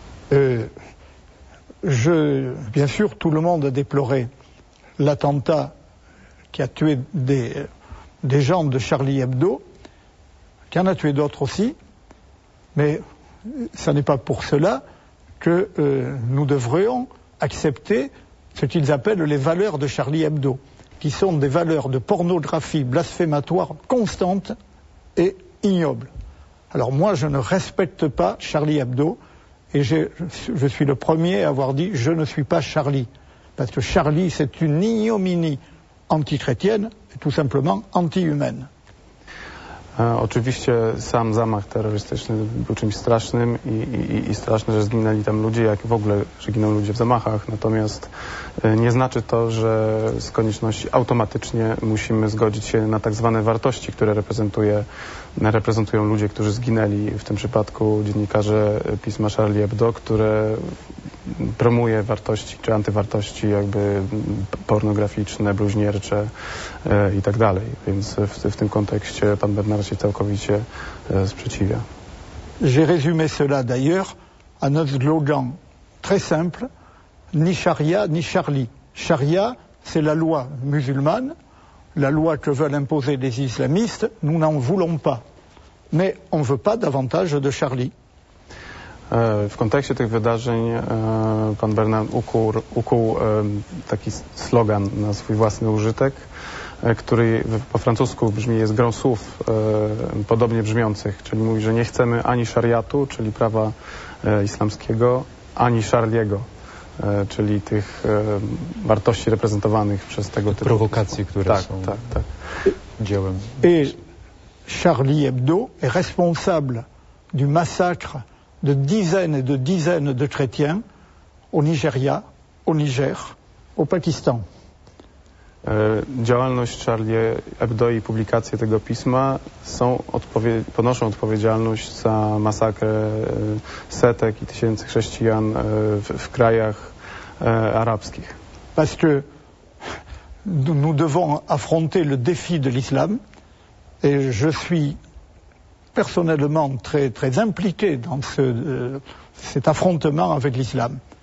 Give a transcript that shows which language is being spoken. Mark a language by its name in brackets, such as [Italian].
[French] Bien sûr, tout le monde a déploré l'attentat qui a tué des gens de Charlie Hebdo, qui en a tué d'autres aussi, mais ce n'est pas pour cela que nous devrions accepter ce qu'ils appellent les valeurs de Charlie Hebdo, qui sont des valeurs de pornographie blasphématoire constante et ignoble. Alors moi, je ne respecte pas Charlie Hebdo, et je suis le premier à avoir dit « je ne suis pas Charlie », parce que Charlie, c'est une ignominie antichrétienne, et tout simplement anti-humaine. [Polish] Oczywiście sam zamach terrorystyczny był czymś strasznym i straszne, że zginęli tam ludzie, jak w ogóle, że giną ludzie w zamachach. Natomiast nie znaczy to, że z konieczności automatycznie musimy zgodzić się na tak zwane wartości, które reprezentują ludzie, którzy zginęli. W tym przypadku dziennikarze pisma Charlie Hebdo, które promuje wartości czy antywartości jakby pornograficzne, bluźniercze i tak dalej. Więc w tym kontekście pan Bernard się całkowicie sprzeciwia. [French] J'ai résumé cela d'ailleurs en un slogan très simple, ni charia ni Charlie. Charia, c'est la loi musulmane, la loi que veulent imposer les islamistes, nous n'en voulons pas. Mais on ne veut pas davantage de Charlie. [Polish] W kontekście tych wydarzeń pan Bernard ukuł taki slogan na swój własny użytek, który po francusku brzmi, jest grą słów podobnie brzmiących, czyli mówi, że nie chcemy ani szariatu, czyli prawa islamskiego, ani Charliego, czyli tych wartości reprezentowanych przez tego typu prowokacje, które tak, są tak, tak. Dziełem. I Charlie Hebdo jest [French] responsable du massacre de dizaines et de dizaines de chrétiens au Nigeria, au Niger, au Pakistan. [Polish] Działalność Charlie Hebdo i publikacje tego pisma ponoszą odpowiedzialność za masakrę setek i tysięcy chrześcijan w krajach arabskich. [French] Parce que nous devons affronter le défi de l'islam et je suis personnellement très, très impliqué dans cet affrontement avec l'islam.